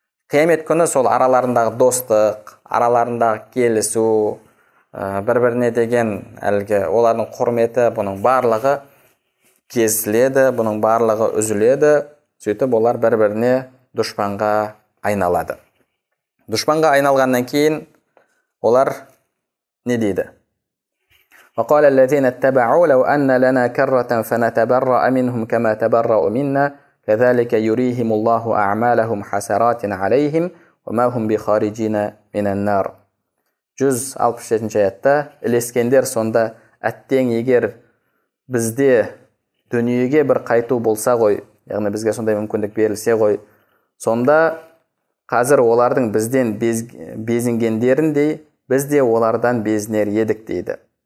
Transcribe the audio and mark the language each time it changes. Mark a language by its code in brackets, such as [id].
[kk] Қиямет күні сол араларындағы достық, араларындағы келісу, бір-біріне деген әлгі олардың құрметі, бұның барлығы кесіледі, бұның барлығы үзіледі, сөйтіп олар бір-біріне дұшпанға айналады. Дұшпанға айналғаннан кейін олар не дейді? [ar] وقال الذين اتبعوا لو أن لنا كرة فنتبرأ منهم كما تبرأوا منا كذلك يريهم الله أعمالهم حسرات عليهم وما هم بخارجين من النار. [kk] Жүз алпыс жетінші аятта ілескендер сонда әттең егер бізде дүниеге бір қайту болса ғой, яғни бізге сондай мүмкіндік берілсе ғой, сонда қазір олардың бізден безінгендеріндей бізде олардан безінер едік дейді.